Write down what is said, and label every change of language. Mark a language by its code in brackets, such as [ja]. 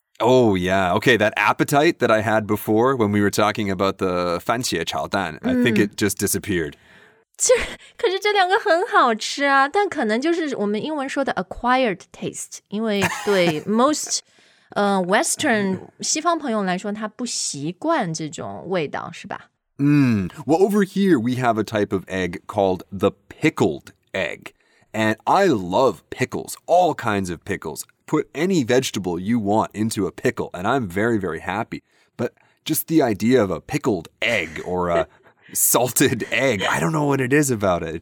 [en] Oh, yeah. Okay, that appetite that I had before when we were talking about the 番茄炒蛋, I think it just disappeared. [zh] 可是这两个很好吃啊, 但可能就是我们英文说的 acquired taste, 因为对 most Western 西方朋友来说, 他不习惯这种味道, 是吧? [en] Well, over here, we have a type of egg called the pickled egg. And I love pickles, all kinds of pickles. Put any vegetable you want into a pickle, and I'm very, very happy. But just the idea of a pickled egg or a salted egg, I don't know what it is about it.